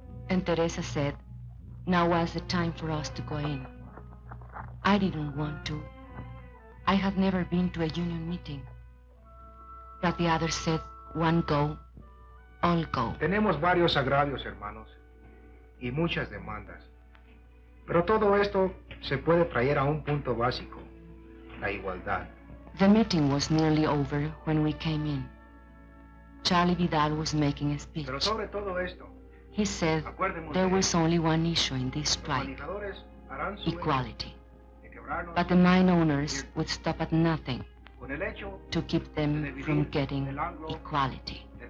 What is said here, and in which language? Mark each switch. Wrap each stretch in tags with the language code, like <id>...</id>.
<en>And Teresa said, now was the time for us to go in. I didn't want to. I had never been to a union meeting. But the others said, one go, all go.</en> <es>Tenemos varios agravios, hermanos, y muchas demandas. Pero todo esto se puede traer a un punto básico, la igualdad. The meeting was nearly over when we came in. Charlie Vidal was making a speech. Pero sobre todo esto,</es> <en>he said there was only one issue in this strike, equality. But the mine owners would stop at nothing to keep them from getting equality.</en>